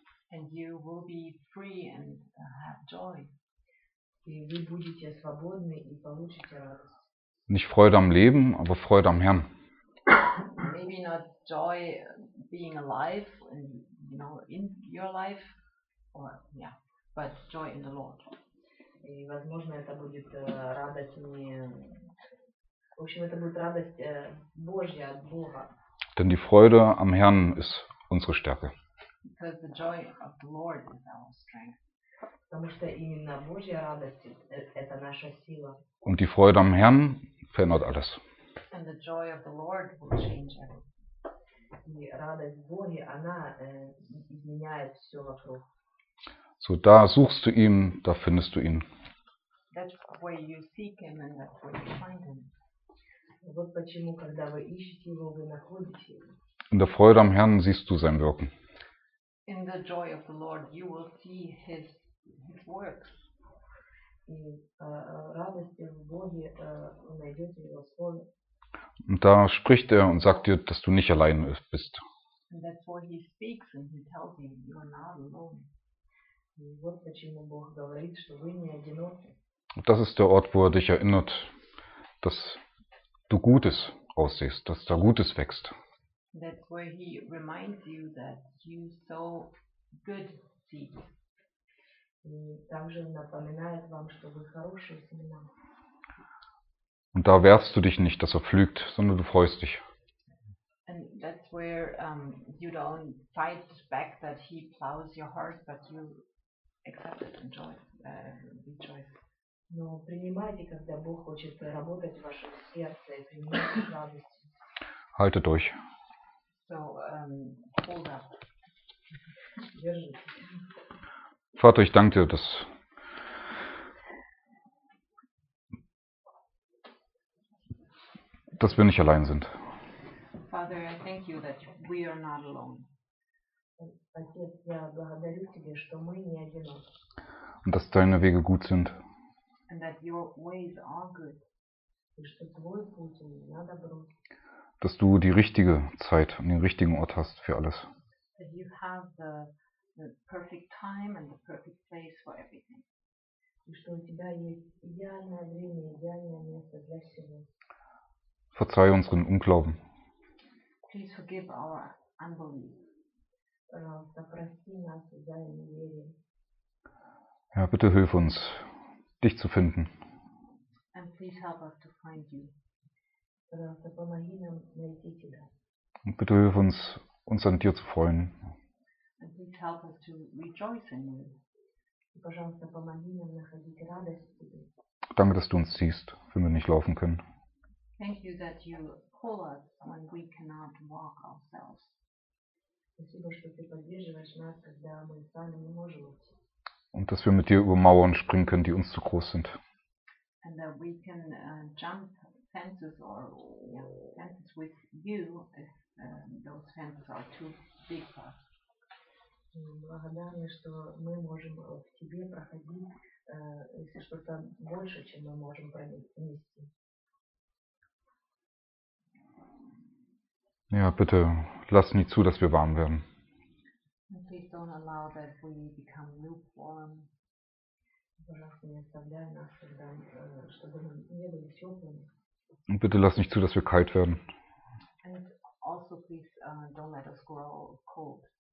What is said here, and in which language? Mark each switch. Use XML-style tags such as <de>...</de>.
<en>And you will be free and have joy.</en> <ru>И вы будете свободны и получите радость.</ru> <de>Nicht Freude am Leben, aber Freude am Herrn.</de> <en>Maybe not joy being alive, and, you know, in your life, or yeah, but joy in the Lord.</en> <ru>И, возможно, это будет радость не... В общем, это будет радость Божья от Бога.</ru> <de>Denn die Freude am Herrn ist unsere Stärke.</de> <en>Because the joy of the Lord is our strength.</en> <ru>Потому что именно Божья радость – это наша сила.</ru> <de>Und die Freude am Herrn verändert alles.</de> <en>And the joy of the Lord will change everything.</en> <ru>И радость Божья, она изменяет все вокруг.</ru> <de>So, da suchst du ihn, da findest du ihn.</de> <en>That's where you seek him and that's where you find him.</en> <ru>Вот почему, когда вы ищете его, вы находите его.</ru> <de>In der Freude am Herrn siehst du sein Wirken.</de> <en>In the joy of the Lord you will see his works.</en> <ru>И радости в Боге вы найдете его слово.</ru> <de>Und da spricht er und sagt dir, dass du nicht allein bist.</de> <en>And that's where he speaks and he tells you, you are not alone.</en> <ru>И вот почему Бог говорит, что вы не одиноки.</ru> <de>Das ist der Ort, wo er dich erinnert, dass du Gutes aussiehst, dass da Gutes wächst.</de> <en>That's where he reminds you that you sow good seeds.</en> <ru>И также напоминает вам, что вы хорошие семена.</ru> <de>Und da wehrst du dich nicht, dass er pflügt, sondern du freust dich.</de> <en>And that's where you don't fight back that he plows your heart, but you accept it and joy, rejoice.</en> <ru>Но принимайте, когда Бог хочет работать в вашем сердце, и принимайте радость.</ru> <de>Halte durch.</de> <en>So, hold up.</en> <ru>Держите.</ru> <de>Vater, ich danke dir, dass wir nicht allein sind.</de> <en>Father, I thank you that we are not alone.</en> <ru>Отец, я благодарю тебя, что мы не одиноки.</ru> <de>Und dass deine Wege gut sind.</de> <en>And that your ways are good.</en> <ru>И что твой путь на добро.</ru> <de>Dass du die richtige Zeit und den richtigen Ort hast für alles.</de> <en>That you have the perfect time and the perfect place for everything.</en> <ru>И что у тебя есть идеальное время, идеальное место для всего.</ru> <de>Verzeih unseren Unglauben.</de> <en>Please forgive our unbelief.</en> <ru>Пожалуйста, прости нас за неверие.</ru> <de>Ja, bitte hilf uns, dich zu finden.</de> <en>And please help us to find you.</en> <ru>Пожалуйста, помоги нам найти тебя.</ru> <de>Und bitte hilf uns, uns an dir zu freuen.</de> <en>And please help us to rejoice in you.</en> <ru>И, пожалуйста, помоги нам находить радость в тебе.</ru> <de>Danke, dass du uns siehst, wenn wir nicht laufen können.</de> <en>Thank you that you call us when we cannot walk ourselves.</en> <ru>Спасибо, что ты поддерживаешь нас, когда мы сами не можем идти.</ru> <de>Und dass wir mit dir über Mauern springen können, die uns zu groß sind.</de> <en>And that we can jump fences or fences with you if those fences are too big for us.</en> <ru>Благодарны, что мы можем в тебе проходить, если что-то больше, чем мы можем пронести.</ru> <de>Ja, bitte, lass nicht zu, dass wir warm werden.</de> <en>Please don't allow that we become lukewarm.</en> <de>Und bitte lass nicht zu, dass wir kalt werden.</de> <en>And also please don't let us grow cold.</en>